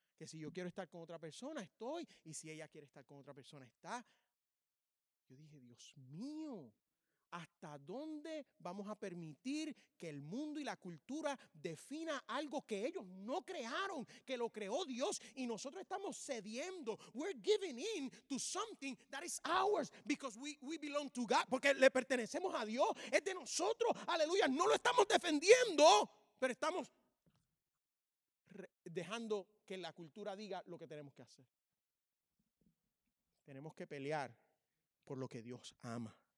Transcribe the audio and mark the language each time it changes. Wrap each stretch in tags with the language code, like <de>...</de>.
<es>Que si yo quiero estar con otra persona, estoy. Y si ella quiere estar con otra persona, está. Yo dije, Dios mío, ¿hasta dónde vamos a permitir que el mundo y la cultura defina algo que ellos no crearon, que lo creó Dios? Y nosotros estamos cediendo.</es> <en>We're giving in to something that is ours because we belong to God.</en> <es>Porque le pertenecemos a Dios. Es de nosotros. Aleluya. No lo estamos defendiendo, pero estamos dejando que la cultura diga lo que tenemos que hacer. Tenemos que pelear por lo que Dios ama.</es>